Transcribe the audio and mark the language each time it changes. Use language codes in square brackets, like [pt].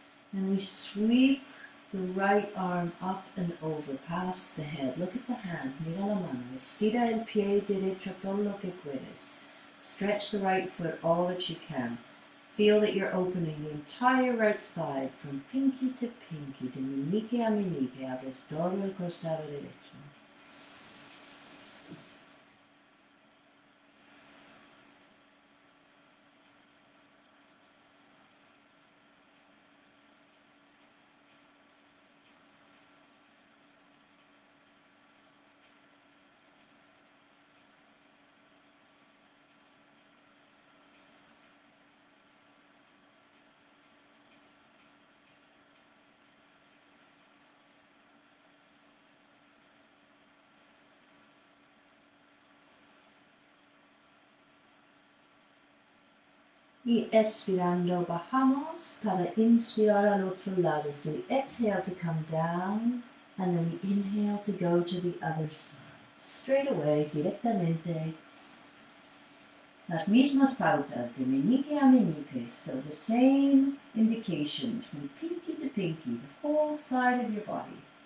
[en] And we sweep the right arm up and over, past the head. Look at the hand, [es] mira la mano. Estira el pie derecho todo lo que puedes. [en] Stretch the right foot all that you can. Feel that you're opening the entire right side from pinky to pinky, [es] de meñique a meñique, abres todo el costado derecho. Y expirando, bajamos para inspirar al otro lado. [en] So we exhale to come down, and then we inhale to go to the other side. Straight away, [es] directamente. Las mismas pautas, de meñique a meñique. [en] So the same indications, from pinky to pinky, the whole side of your body.